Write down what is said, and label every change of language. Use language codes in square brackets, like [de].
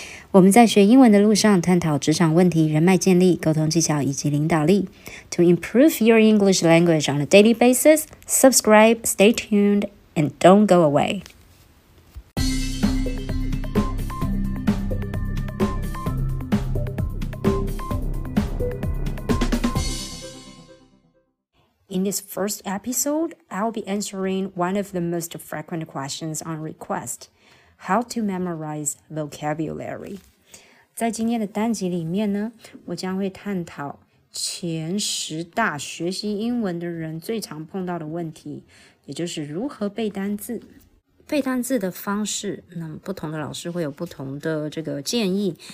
[zh] 我们在学英文的路上探讨职场问题、人脉建立、沟通技巧以及领导力。 [en] To improve your English language on a daily basis, subscribe, stay tuned, and don't go away. In this first episode, I'll be answering one of the most frequent questions on request, how to memorize vocabulary. [zh] 在今天的单集里面呢，我将会探讨前十大学习英文的人最常碰到的问题，也就是如何背单字。背单字的方式，那么不同的老师会有不同的这个建议。